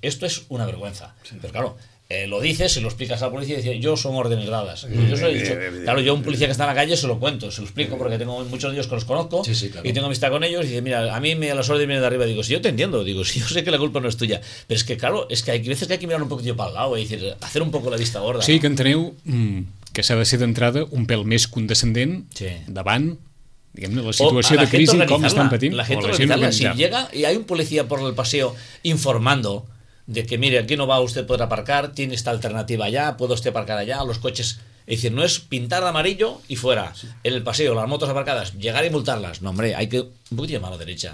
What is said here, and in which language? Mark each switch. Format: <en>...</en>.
<es>Esto es una vergüenza. Sí. Pero claro, lo dices, se lo explicas a la policía y dice, yo son órdenes dadas. Yo se lo he dicho. Claro, yo a un policía que está en la calle se lo cuento, se lo explico porque tengo muchos de ellos que los conozco, sí, sí, claro. Y tengo amistad con ellos y dice, mira, a mí las órdenes vienen de arriba. Digo, si yo te entiendo, digo, si yo sé que la culpa no es tuya. Pero es que claro, es que hay veces que hay que mirar un poquito para el lado y decir, hacer un poco la vista gorda.</es> <ca>Sí, que enteneu que s'ha de ser d'entrada un pèl més condescendent, sí. Davant diguem-ne, la situació la de crisi, com estan patint. La gent organitzada,</ca> <es>si llega i hi ha un policia por el paseo informando de que, mire, aquí no va usted a poder aparcar, tiene esta alternativa allá, puede usted aparcar allá, los coches... Es decir, no es pintar de amarillo y fuera, sí. En el paseo, las motos aparcadas, llegar y multarlas. No, hombre, hay que... Un poquito llamar a la derecha.</es>